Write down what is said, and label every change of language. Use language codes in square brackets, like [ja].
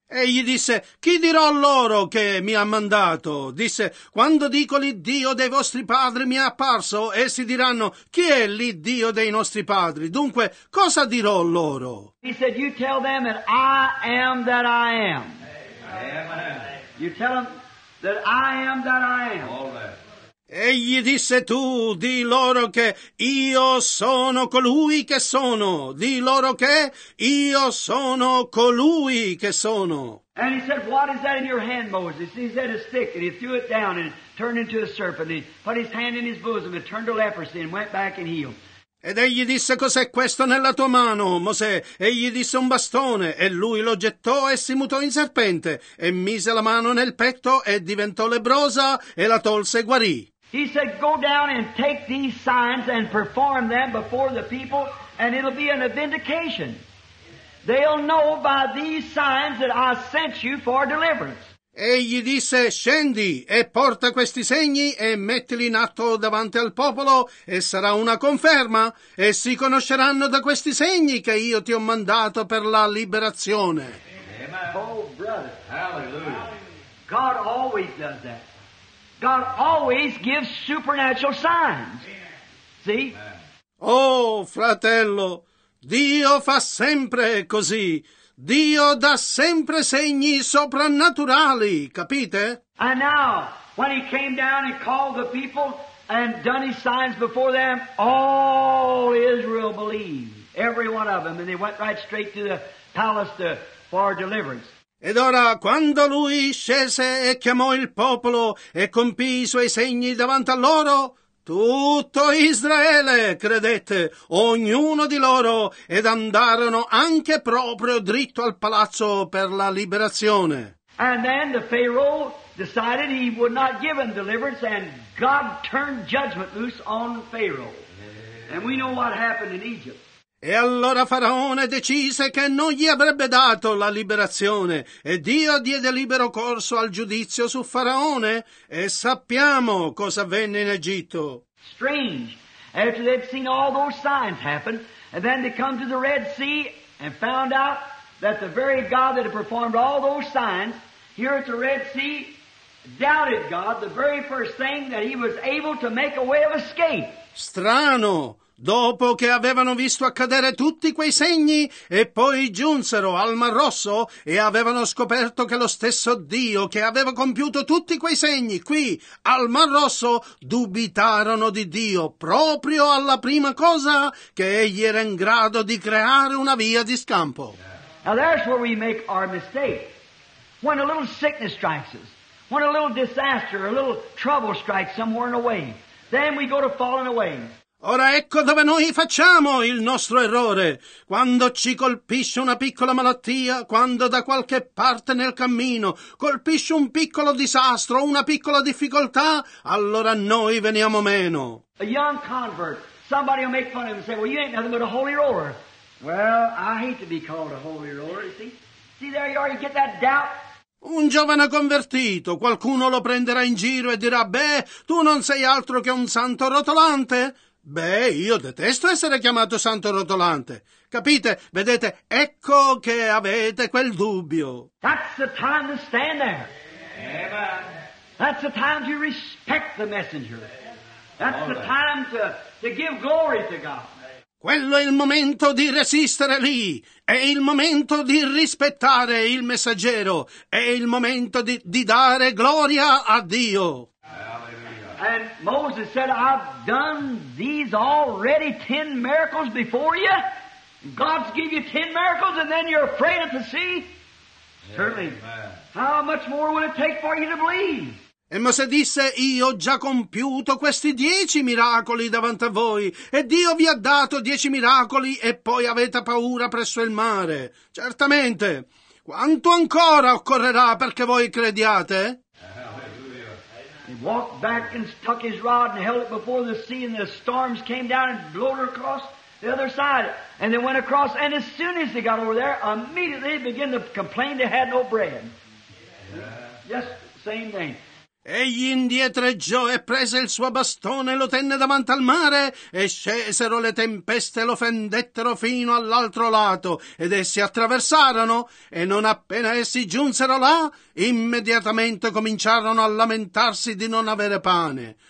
[it] E gli disse: "Chi dirò loro che mi ha mandato?" Disse: "Quando dico l'Iddio dei vostri padri mi è apparso, essi diranno: chi è l'Iddio dei nostri padri? Dunque, cosa dirò loro?" [en] He said, "You tell them that I am that I am." Amen. You tell them that I am that I am. All right. [it] Egli disse: tu di loro che io sono colui che sono, di loro che io sono colui che sono. [en] And he said, what is that in your hand, Moses? He said, a stick, and he threw it down and turned into a serpent. And he put his hand in his bosom and turned to leprosy and went back and healed. [it] Ed egli disse, cos'è questo nella tua mano, Mosè? Egli disse, un bastone, e lui lo gettò e si mutò in serpente, e mise la mano nel petto e diventò lebbrosa, e la tolse e guarì. [en] He said, go down and take these signs and perform them before the people, and it'll be a vindication. They'll know by these signs that I sent you for deliverance. [it] Egli disse, scendi e porta questi segni e mettili in atto davanti al popolo e sarà una conferma e si conosceranno da questi segni che io ti ho mandato per la liberazione. [en] Amen. Oh, brother. Hallelujah. God always does that. God always gives supernatural signs. See? Amen. [it] Oh, fratello, Dio fa sempre così. Dio dà sempre segni soprannaturali, capite? [en] And now, when he came down and called the people and done his signs before them, all Israel believed, every one of them, and they went right straight to the palace to, for deliverance. [it] Ed ora, quando lui scese e chiamò il popolo e compì i suoi segni davanti a loro, tutto Israele credette, ognuno di loro, ed andarono anche proprio dritto al palazzo per la liberazione. [en] And then the Pharaoh decided he would not give him deliverance, and God turned judgment loose on Pharaoh. And we know what happened in Egypt. [it] E allora Faraone decise che non gli avrebbe dato la liberazione, e Dio diede libero corso al giudizio su Faraone, e sappiamo cosa avvenne in Egitto. [en] Strange. After they'd seen all those signs happen, and then they come to the Red Sea and found out that the very God that had performed all those signs here at the Red Sea doubted God, the very first thing, that he was able to make a way of escape. [it] Strano. Dopo che avevano visto accadere tutti quei segni e poi giunsero al Mar Rosso e avevano scoperto che lo stesso Dio che aveva compiuto tutti quei segni qui al Mar Rosso dubitarono di Dio proprio alla prima cosa che egli era in grado di creare una via di scampo. [en] Now that's where we make our mistake. When a little sickness strikes us, when a little disaster, a little trouble strikes somewhere in a way, then we go to falling away. [it] Ora ecco dove noi facciamo il nostro errore. Quando ci colpisce una piccola malattia, quando da qualche parte nel cammino colpisce un piccolo disastro, una piccola difficoltà, allora noi veniamo meno. [en] A young convert, somebody will make fun of him and say, well, you ain't nothing but a holy roller. Well, I hate to be called a holy roller, you see? See there you are, you get that doubt? [it] Un giovane convertito, qualcuno lo prenderà in giro e dirà, beh, tu non sei altro che un santo rotolante. Beh, io detesto essere chiamato santo rotolante. Capite? Vedete, ecco che avete quel dubbio. [en] That's the time to stand there. Amen. That's the time to respect the messenger. That's the time to give glory to God. [it] Quello è il momento di resistere lì. È il momento di rispettare il messaggero. È il momento di dare gloria a Dio. [en] And Moses said, I've done these already 10 miracles before you. God's give you 10 miracles and then you're afraid of the sea. Certainly. Amen. How much more would it take for you to believe? [it] E Mosè disse, io ho già compiuto questi 10 miracoli davanti a voi. E Dio vi ha dato 10 miracoli e poi avete paura presso il mare. Certamente. Quanto ancora occorrerà perché voi crediate? [en] He walked back and stuck his rod and held it before the sea, and the storms came down and blowed across the other side. And they went across, and as soon as they got over there, immediately they began to complain they had no bread. Yeah. Just same thing. [it] Egli indietreggiò e prese il suo bastone e lo tenne davanti al mare, e scesero le tempeste e lo fendettero fino all'altro lato, ed essi attraversarono, e non appena essi giunsero là, immediatamente cominciarono a lamentarsi di non avere pane.